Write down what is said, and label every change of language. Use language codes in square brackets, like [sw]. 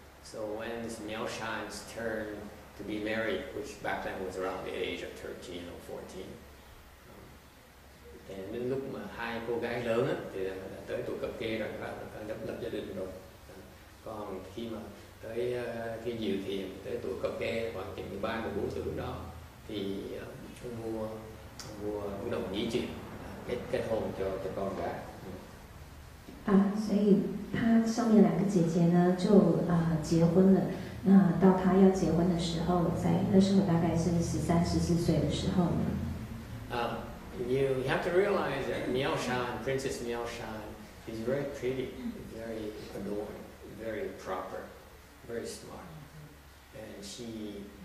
[en] So when Miao Shan's turn to be married, which back then was around the age of 13 or 14, [vi] đến lúc mà hai cô gái lớn á, thì tới tuổi cập kê rồi, bạn đã lập gia đình rồi. Còn khi mà tới cái Diệu Thiền tới tuổi cập kê khoảng chừng 13-14 tuổi đó thì vua cũng đồng ý chuyện kết hôn cho con gái. [zh] 所以他上面两个姐姐呢就结婚了，那到他要结婚的时候，在那时候大概是13-14岁的时候呢。 [en] You have to realize that Miao Shan, Princess Miao Shan, is very pretty, very adorned, very proper, very smart, and she